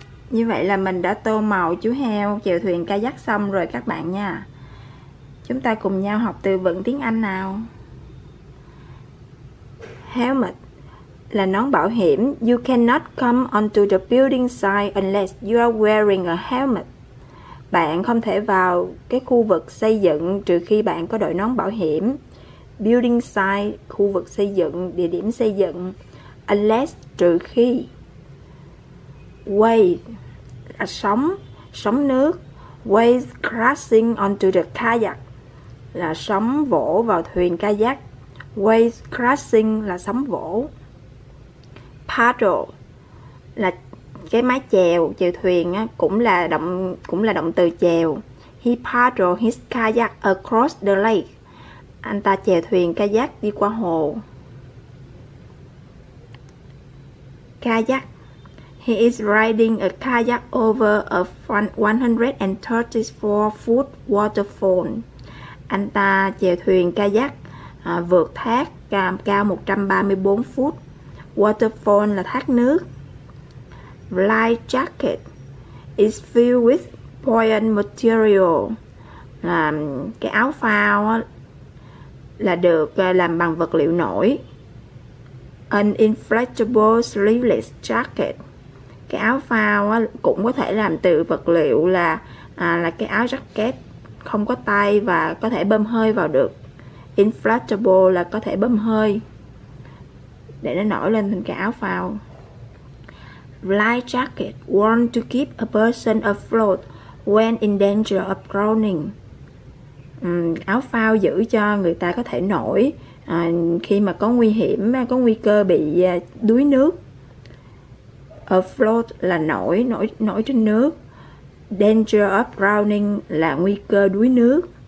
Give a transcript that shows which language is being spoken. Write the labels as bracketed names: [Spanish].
[Vietnamese] Như vậy là mình đã tô màu chú heo chèo thuyền kayak xong rồi các bạn nha. Chúng ta cùng nhau học từ vựng tiếng Anh nào. Helmet là nón bảo hiểm. [English] You cannot come onto the building site unless you are wearing a helmet. [Vietnamese] Bạn không thể vào cái khu vực xây dựng trừ khi bạn có đội nón bảo hiểm. [English] Building site, [Vietnamese] khu vực xây dựng, địa điểm xây dựng. Unless, trừ khi. Wave là sóng, sóng nước. [English] Wave crashing onto the kayak [Vietnamese] là sóng vỗ vào thuyền kayak. [English] Wave crashing [Vietnamese] là sóng vỗ. Paddle là cái mái chèo, chèo thuyền á, cũng là động từ chèo. [English] He paddled his kayak across the lake. [Vietnamese] Anh ta chèo thuyền kayak đi qua hồ. [English] Kayak. He is riding a kayak over a 134-foot waterfall. [Vietnamese] Anh ta chèo thuyền kayak vượt thác cao 134 feet. Waterfall là thác nước. [English] Life jacket is filled with buoyant material. [Vietnamese] Cái áo phao là được làm bằng vật liệu nổi. [English] An inflatable sleeveless jacket. [Vietnamese] Cái áo phao cũng có thể làm từ vật liệu là cái áo jacket không có tay và có thể bơm hơi vào được. Inflatable là có thể bơm hơi để nó nổi lên thành cái áo phao. [English] Life jacket worn to keep a person afloat when in danger of drowning. [Vietnamese] Áo phao giữ cho người ta có thể nổi khi mà có nguy hiểm, có nguy cơ bị đuối nước. Afloat là nổi trên nước. [English] Danger of drowning [Vietnamese] là nguy cơ đuối nước.